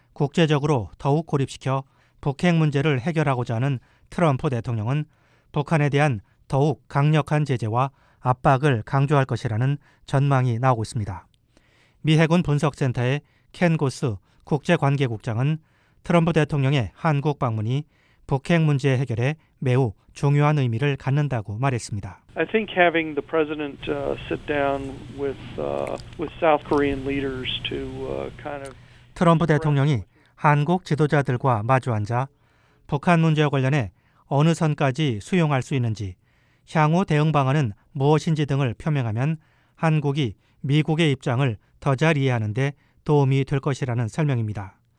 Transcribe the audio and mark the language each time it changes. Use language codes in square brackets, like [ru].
[ko] 국제적으로 더욱 고립시켜 북핵 문제를 해결하고자 하는 트럼프 대통령은 북한에 대한 더욱 강력한 제재와 압박을 강조할 것이라는 전망이 나오고 있습니다. 미 해군 분석센터의 켄 고스 국제관계국장은 트럼프 대통령의 한국 방문이 북핵 문제 해결에 매우 중요한 의미를 갖는다고 말했습니다. [en] I think having the president sit down with South Korean leaders to kind of [ko] 트럼프 대통령이 한국 지도자들과 마주앉아 북한 문제와 관련해 어느 선까지 수용할 수 있는지, 향후 대응 방안은 무엇인지 등을 표명하면 한국이 미국의 입장을 더 잘 이해하는 데 도움이 될 것이라는 설명입니다.